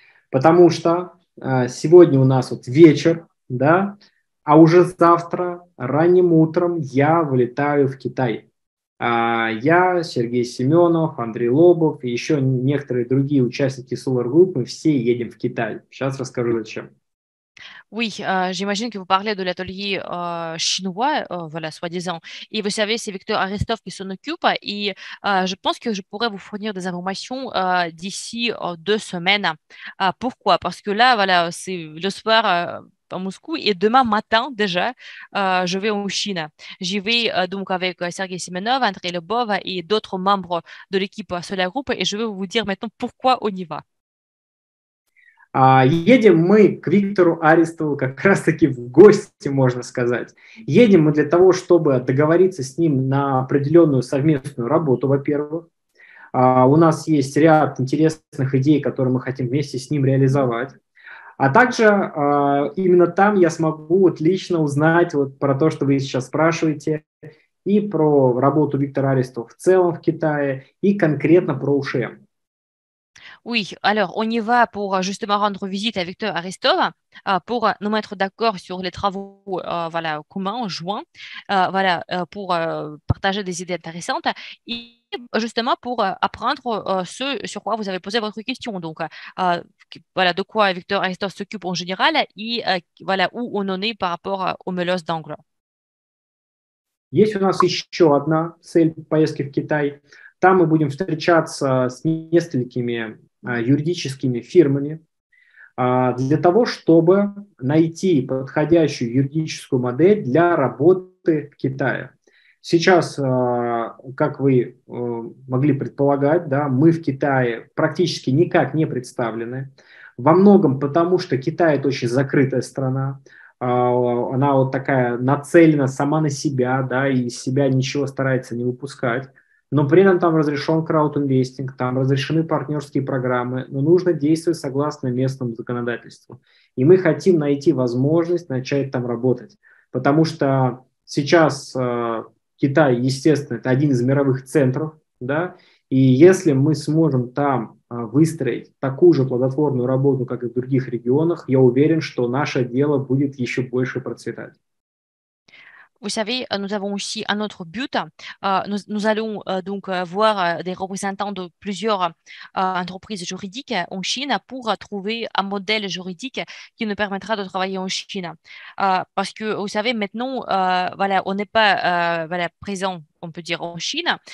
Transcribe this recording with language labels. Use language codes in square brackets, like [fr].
[ru] Потому что сегодня у нас вот вечер, да, а уже завтра ранним утром я вылетаю в Китай. Я, Сергей Семенов, Андрей Лобов и еще некоторые другие участники Solar Group, мы все едем в Китай. Сейчас расскажу, зачем. [fr] Oui, j'imagine que vous parlez de l'atelier chinois, voilà, soi-disant. Et vous savez, c'est Victor Aristov qui s'en occupe. Et je pense que je pourrais vous fournir des informations d'ici deux semaines. Pourquoi? Parce que là, voilà, c'est le soir à Moscou. Et demain matin, déjà, je vais en Chine. J'y vais donc avec Sergei Semenov, Andrei Lobov et d'autres membres de l'équipe Solar Group. Et je vais vous dire maintenant pourquoi on y va. [ru] Едем мы к Виктору Аристову как раз-таки в гости, можно сказать. Едем мы для того, чтобы договориться с ним на определенную совместную работу, во-первых. У нас есть ряд интересных идей, которые мы хотим вместе с ним реализовать. А также именно там я смогу вот лично узнать вот про то, что вы сейчас спрашиваете, и про работу Виктора Аристова в целом в Китае, и конкретно про УШМ. [fr] Oui, alors on y va pour justement rendre visite à Victor Aristov pour nous mettre d'accord sur les travaux voilà, communs en juin, voilà, pour partager des idées intéressantes et justement pour apprendre ce sur quoi vous avez posé votre question. Donc voilà, de quoi Victor Aristov s'occupe en général et voilà, où on en est par rapport aux meuleuses d'angle. [ru] Есть у нас еще одна цель поездки в Китай. Там мы будем встречаться с несколькими юридическими фирмами для того, чтобы найти подходящую юридическую модель для работы в Китае. Сейчас, как вы могли предполагать, да, мы в Китае практически никак не представлены. Во многом потому, что Китай – это очень закрытая страна. Она вот такая нацелена сама на себя, да, и из себя ничего старается не выпускать. Но при этом там разрешен краудинвестинг, там разрешены партнерские программы, но нужно действовать согласно местному законодательству. И мы хотим найти возможность начать там работать. Потому что сейчас Китай, естественно, это один из мировых центров, да, и если мы сможем там выстроить такую же плодотворную работу, как и в других регионах, я уверен, что наше дело будет еще больше процветать. [fr] Vous savez, nous avons aussi un autre but. Nous allons donc voir des représentants de plusieurs entreprises juridiques en Chine pour trouver un modèle juridique qui nous permettra de travailler en Chine. Parce que, vous savez, maintenant, voilà, on n'est pas présent, on peut dire, en Chine.